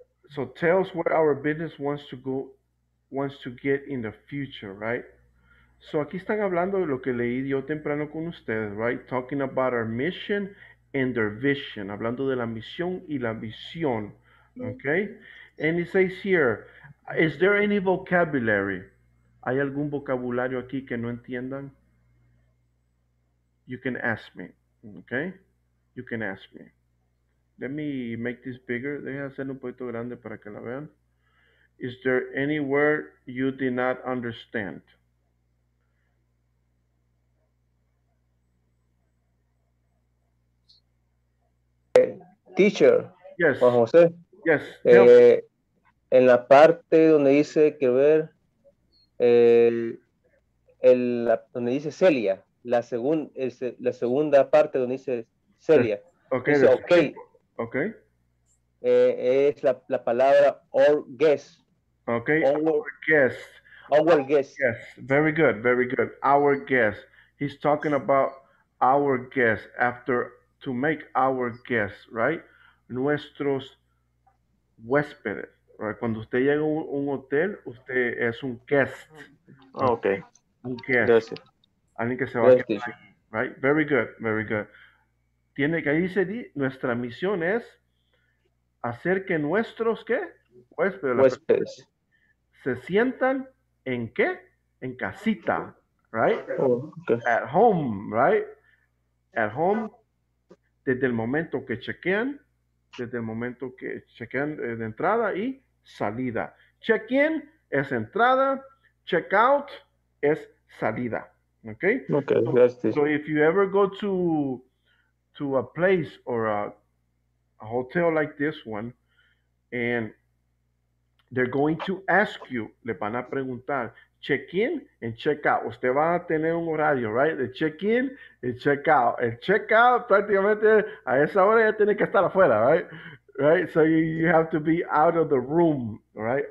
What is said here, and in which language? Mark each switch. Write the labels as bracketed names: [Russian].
[English] So tells where our business wants to go, wants to get in the future, right? [Spanish] So aquí están hablando de lo que leí yo temprano con ustedes, right? [English] Talking about our mission and their vision. [Spanish] Hablando de la misión y la visión, [English] okay? And it says here, is there any vocabulary? [Spanish] ¿Hay algún vocabulario aquí que no entiendan? [English] You can ask me, okay? You can ask me. Let me make this bigger. [Spanish] Deja hacer un poquito grande para que la vean. [English] Is there any word you did not understand? Teacher. Yes. Juan José. Yes. [Spanish] En la parte donde dice que ver, donde dice Celia, la segunda parte donde dice Celia. [English] Okay. Dice, okay. Okay. [Spanish] Es la palabra [English] or guess. Okay. Our guest. Our guest. Yes. Very good. Very good. Our guest. He's talking about our guest after to make our guest, right? [Spanish] Nuestros huéspedes. Right? Cuando usted llega a un hotel, usted es un guest. [English] Okay. [Spanish] Un guest. Alguien que se va a quedar. Right? [English] Very good. Very good. [Spanish] Tiene que ahí se dice, nuestra misión es hacer que nuestros ¿qué? Huéspedes. Huéspedes. Se sientan en qué? En casita, right? [English] Oh, okay. At home, right? At home, [Spanish] desde el momento que chequean, de entrada y salida. Check-in es entrada, check-out es salida, okay? [English] Okay, that's this. So if you ever go to a place or a hotel like this one and they're going to ask you, [Spanish] le van a preguntar, [English] check-in and check-out. [Spanish] Usted va a tener un horario, right? The check-in and check-out. El check-out prácticamente a esa hora ya tiene que estar afuera, right? [English] Right? So you have to be out of the room, right?